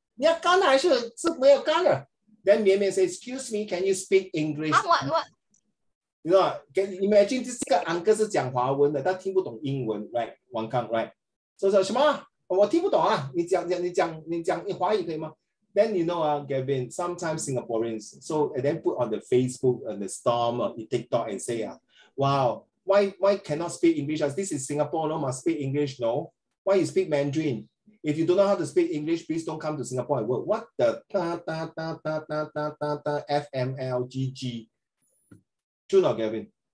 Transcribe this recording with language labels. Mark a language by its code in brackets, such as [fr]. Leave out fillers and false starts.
[zh] 你要干的还是没有干的? [en] Then 绵绵 say, excuse me, can you speak English? What? You know, can you imagine this uncle [zh] 是讲华文的, 他听不懂英文, [en] right? 王康, right? So, [zh] 什么? 我听不懂啊, 你讲华语可以吗? [en] Then you know, Gavin, sometimes Singaporeans, so and then put on the Facebook and the storm or TikTok and say, wow, why cannot speak English? As this is Singapore, no, must speak English, no. Why you speak Mandarin? If you don't know how to speak English, please don't come to Singapore and work. What the ta-ta-ta-ta-ta-ta-ta F-M-L-G-G? True or not, Gavin?